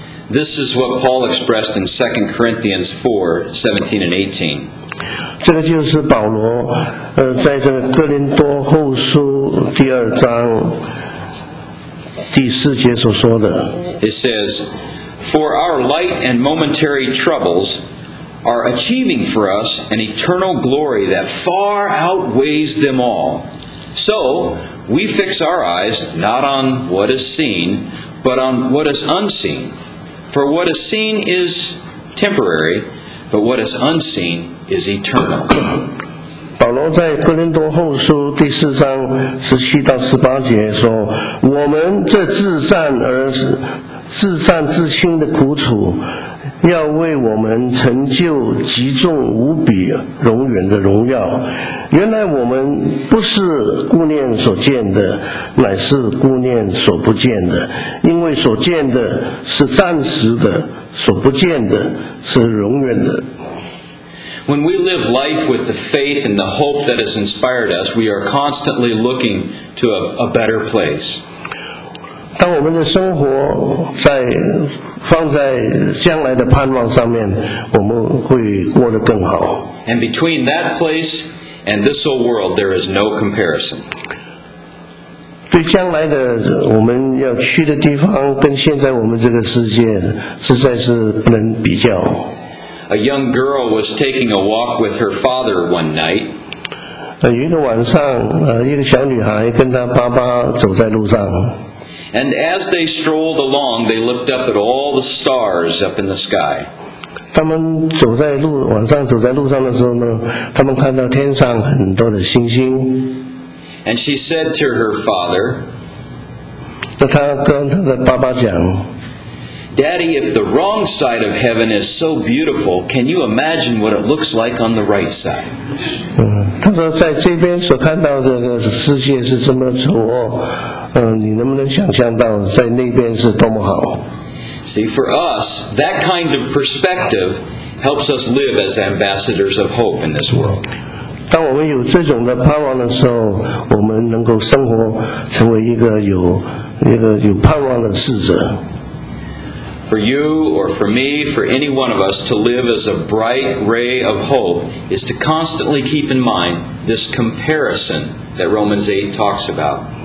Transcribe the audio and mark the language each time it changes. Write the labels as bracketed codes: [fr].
[en] This is what Paul expressed in 2 Corinthians 4, 17 and 18. [zh] 这个就是保罗在这个哥林多后书第二章第四节所说的。 [en] It says, For our light and momentary troubles are achieving for us an eternal glory that far outweighs them all. So, we fix our eyes not on what is seen, but on what is unseen. For what is seen is temporary, but what is unseen is eternal. [zh] 保罗在哥林多后书第四章十七到十八节说：“我们这自战自轻的苦楚，要为我们成就极重无比永远的荣耀。原来我们不是顾念所见的，乃是顾念所不见的。因为所见的是暂时的，所不见的是永远的。” [en] When we live life with the faith and the hope that has inspired us, we are constantly looking to a better place. [zh] 当我们的生活在放在将来的盼望上面，我们会过得更好。 [en] And between that place and this old world, there is no comparison. [zh] 对将来的我们要去的地方，跟现在我们这个世界实在是不能比较。 [en] A young girl was taking a walk with her father one night. [zh] 有一个晚上，一个小女孩跟她爸爸走在路上。 [en] And as they strolled along, they looked up at all the stars up in the sky. [zh] 他们走在路，晚上走在路上的时候呢，他们看到天上很多的星星。 [en] And she said to her father, [zh] 她跟她的爸爸讲, [en] Daddy, if the wrong side of heaven is so beautiful, can you imagine what it looks like on the right side? [zh] 她说在这边所看到的世界是这么丑恶，你能不能想象到在那边是多么好？ [en] See, for us, that kind of perspective helps us live as ambassadors of hope in this world. [zh] 当我们有这种的盼望的时候，我们能够生活成为一个有盼望的使者。 [en] For you or for me, for any one of us, to live as a bright ray of hope is to constantly keep in mind this comparison that Romans 8 talks about.